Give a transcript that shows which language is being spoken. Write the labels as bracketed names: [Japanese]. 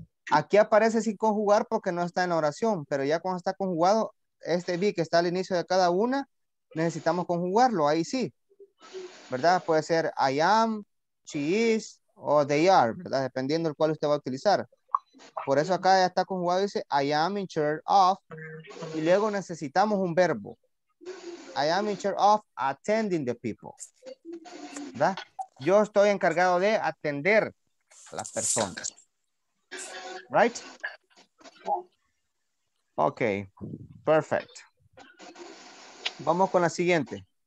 [Spanish] Aquí aparece sin conjugar porque no está en la oración, pero ya cuando está conjugado, este be que está al inicio de cada una, necesitamos conjugarlo, ahí sí. ¿Verdad? Puede ser [English] I am, she is, [Spanish] o [English] they are, [Spanish] ¿verdad? Dependiendo el cual usted va a utilizar. Por eso acá ya está conjugado, dice [English] I am in charge of, [Spanish] y luego necesitamos un verbo. [English] I am in charge of attending the people. [Spanish] ¿Verdad? Yo estoy encargado de atender a las personas. [English] Right? Ok, perfect. [Spanish] Vamos con la siguiente.